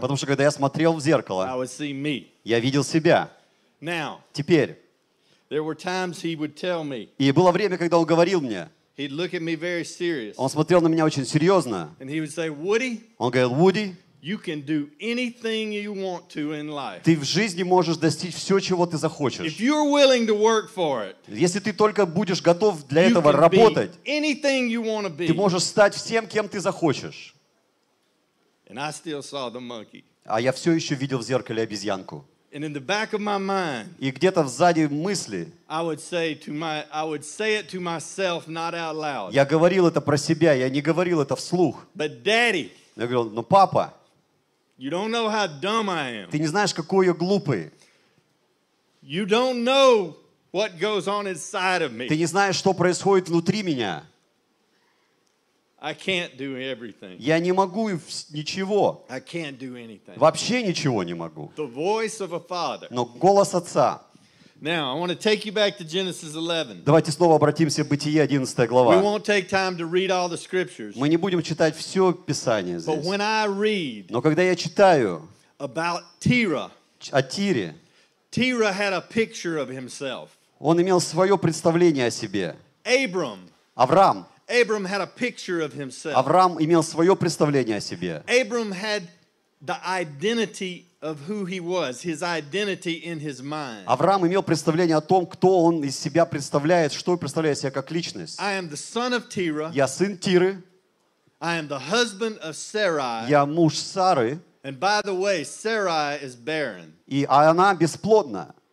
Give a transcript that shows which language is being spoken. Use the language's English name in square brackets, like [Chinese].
[Russian] Потому что когда я смотрел в зеркало. [English] I would see me. [Russian] Я видел себя. [English] Now. [Russian] Теперь. [English] There were times he would tell me. [Russian] И было время, когда он говорил мне. [English] He'd look at me very serious. [Russian] Он смотрел на меня очень серьезно. [English] And he would say, Woody. [Russian] Он говорил, Woody. [English] You can do anything you want to in life. [Russian] Ты в жизни можешь достичь все, чего ты захочешь. [English] If you're willing to work for it. [Russian] Если ты только будешь готов для этого работать. [English] You can be anything you want to be. [Russian] Ты можешь стать всем, кем ты захочешь. [English] And I still saw the monkey. [Russian] А я все еще видел в зеркале обезьянку. [English] And in the back of my mind. [Russian] И где-то сзади мысли. [English] I would say it to myself, not out loud. [Russian] Я говорил это про себя, я не говорил это вслух. [English] But daddy. [Russian] Я говорил, но папа. [English] You don't know how dumb I am. [Russian] Ты не знаешь, какой я глупый. [English] You don't know what goes on inside of me. [Russian] Ты не знаешь, что происходит внутри меня. [English] I can't do everything. [Russian] Я не могу ничего. [English] I can't do anything. [Russian] Вообще ничего не могу. [English] The voice of a father. [Russian] Но голос отца. [English] Now I want to take you back to Genesis 11. [Russian] Давайте снова обратимся к Бытие 11 глава. [English] We won't take time to read all the scriptures. [Russian] Мы не будем читать все Писание здесь. [English] But when I read, [Russian] но когда я читаю [English] about Terah, [Russian] о Тире, [English] Terah had a picture of himself. [Russian] Он имел свое представление о себе. [English] Abram, [Russian] Авраам. [English] Abram had a picture of himself. [Russian] Авраам имел свое представление о себе. [English] Abram had the identity of who he was, his identity in his mind. [Russian] Авраам имел представление о том, кто он из себя представляет, что представляет себя как личность. [English] I am the son of Terah. [Russian] Я сын Тиры. [English] I am the husband of Sarai. [Russian] Я муж Сары. [English] And by the way, Sarai is barren. [Russian] И она бесплодна.